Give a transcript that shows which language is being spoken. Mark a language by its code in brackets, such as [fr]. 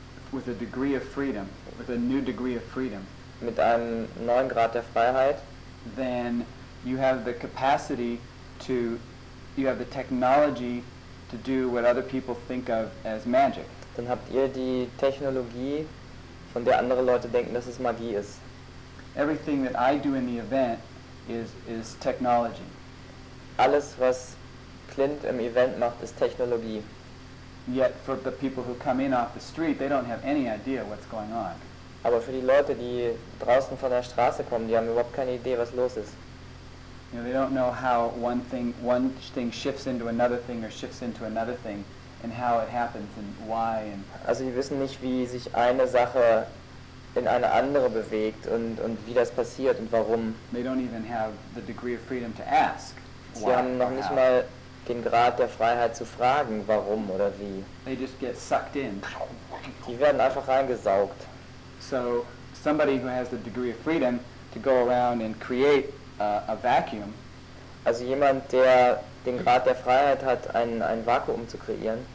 [en] with a degree of freedom, with a new degree of freedom, [de] mit einem neuen Grad der Freiheit, [en] then you have the capacity to, you have the technology to do what other people think of as magic. [de] Dann habt ihr die Technologie, von der andere Leute denken, dass es Magie ist. [en] Everything that I do in the event is technology. [de] Alles was Clint im Event macht, ist Technologie. [en] Yet for the people who come in off the street, they don't have any idea what's going on. [de] Aber für die Leute, die draußen von der Straße kommen, die haben überhaupt keine Idee, was los ist. [en] You know, they don't know how one thing shifts into another thing or shifts into another thing and how it happens and why. And [de] also die wissen nicht, wie sich eine Sache in eine andere bewegt und wie das passiert und warum. [en] They don't even have the degree of freedom to ask. [de] Sie haben noch nicht mal den Grad der Freiheit zu fragen, warum oder wie. [en] They just get sucked in. [de] Die werden einfach reingesaugt. [en] So somebody who has the degree of freedom to go around and create a vacuum. [de] Also jemand, der den Grad der Freiheit hat, ein Vakuum zu kreieren.